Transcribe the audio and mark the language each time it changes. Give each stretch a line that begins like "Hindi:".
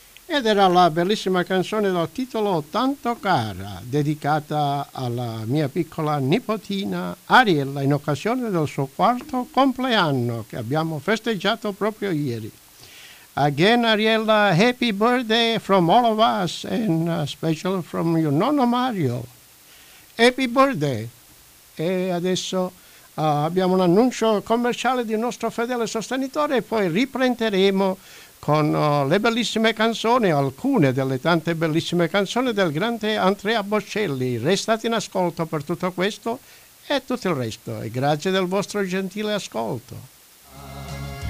Italian: Ed era la bellissima canzone dal titolo Tanto Cara, dedicata alla mia piccola nipotina Ariella in occasione del suo quarto compleanno che abbiamo festeggiato proprio ieri.
English: Again Ariella, happy birthday from all of us and special from your nonno Mario. Happy birthday!
Italian: E adesso abbiamo un annuncio commerciale di un nostro fedele sostenitore e poi riprenderemo con le bellissime canzoni, alcune delle tante bellissime canzoni del grande Andrea Bocelli. Restate in ascolto per tutto questo e tutto il resto, e grazie del vostro gentile ascolto.